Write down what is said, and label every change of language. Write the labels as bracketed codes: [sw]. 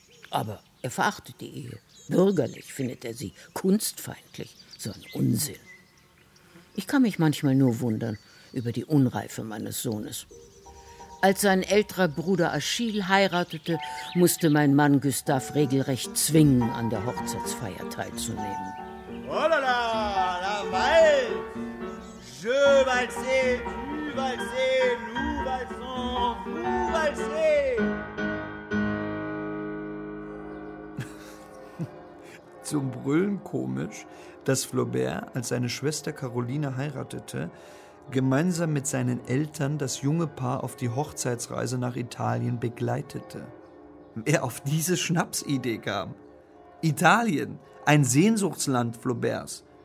[de] Aber er verachtet die Ehe. Bürgerlich findet er sie, kunstfeindlich, so ein Unsinn. Ich kann mich manchmal nur wundern über die Unreife meines Sohnes. Als sein älterer Bruder Achille heiratete, musste mein Mann Gustave regelrecht zwingen, an der Hochzeitsfeier teilzunehmen. [fr] Oh la la, la valse! Je valse, tu valse, nous valsons, vous valsez! [de] Zum Brüllen komisch, dass Flaubert, als seine Schwester Caroline heiratete, gemeinsam mit seinen Eltern das junge Paar auf die Hochzeitsreise nach Italien begleitete. Wer auf diese Schnapsidee kam? Italien, ein Sehnsuchtsland Flauberts.